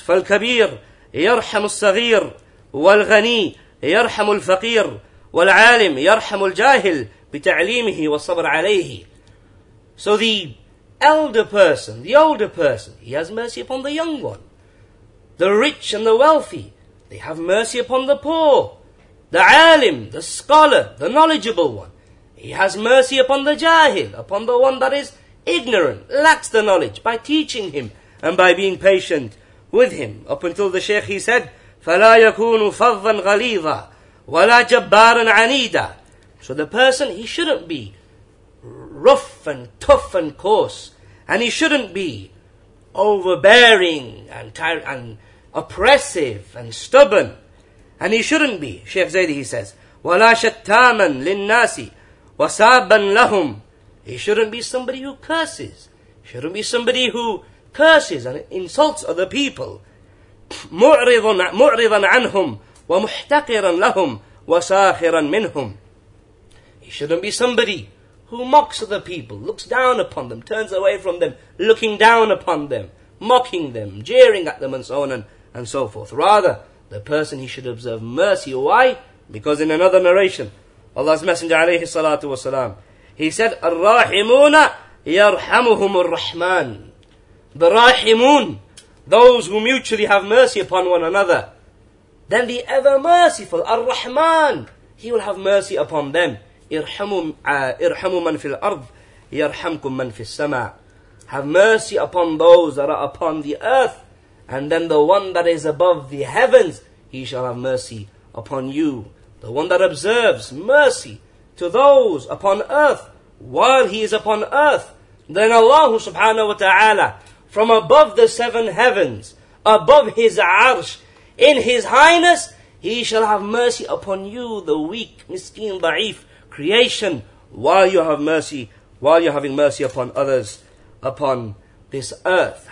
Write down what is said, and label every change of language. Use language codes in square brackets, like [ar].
[ar] فالكبير يرحم الصغير والغني يرحم الفقير والعالم يرحم الجاهل بتعليمه والصبر عليه. [en] So the elder person, the older person, he has mercy upon the young one. The rich and the wealthy, they have mercy upon the poor. The alim, the scholar, the knowledgeable one, he has mercy upon the jahil, upon the one that is ignorant, lacks the knowledge, by teaching him and by being patient with him. Up until the Shaykh, he said, [ar] فَلَا يَكُونُ فَضًّا غَلِيظًا وَلَا جَبَّارًا عَنِيدًا [en] So the person, he shouldn't be rough and tough and coarse, and he shouldn't be overbearing and tyrant and oppressive and stubborn, and he shouldn't be, Shaykh Zaydi, he says, [ar] ولا شتاما للناس وصابا لهم. [en] He shouldn't be somebody who curses. Shouldn't be somebody who curses and insults other people. [ar] معرضا عنهم ومحتقرا لهم وساخرا منهم. [en] He shouldn't be somebody who mocks other people, looks down upon them, turns away from them, looking down upon them, mocking them, jeering at them, and so on and so forth. Rather, the person, he should observe mercy. Why? Because in another narration, Allah's Messenger عليه الصلاة والسلام, he said, [ar] الرحمون يرحمهم الرحمن. [en] The rahimun, those who mutually have mercy upon one another, then the ever merciful, الرحمن, he will have mercy upon them. [ar] ارحموا من في الأرض يرحمكم من في السماء. [en] Have mercy upon those that are upon the earth, and then the one that is above the heavens, he shall have mercy upon you. The one that observes mercy to those upon earth while he is upon earth, then Allah subhanahu wa ta'ala, from above the seven heavens, above his arsh, in his highness, he shall have mercy upon you, the weak, miskeen, da'if creation, while you have mercy, while you're having mercy upon others upon this earth.